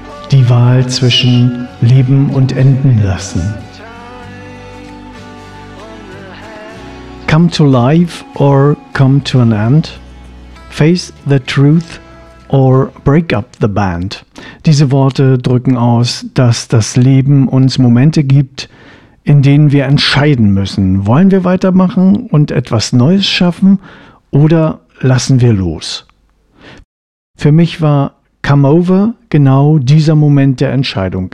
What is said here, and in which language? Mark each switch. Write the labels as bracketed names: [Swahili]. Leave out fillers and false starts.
[German] Die Wahl zwischen Leben und Enden lassen. [English] Come to life or come to an end. Face the truth or break up the band. [German] Diese Worte drücken aus, dass das Leben uns Momente gibt, in denen wir entscheiden müssen. Wollen wir weitermachen und etwas Neues schaffen oder lassen wir los? Für mich war Come Over genau dieser Moment der Entscheidung.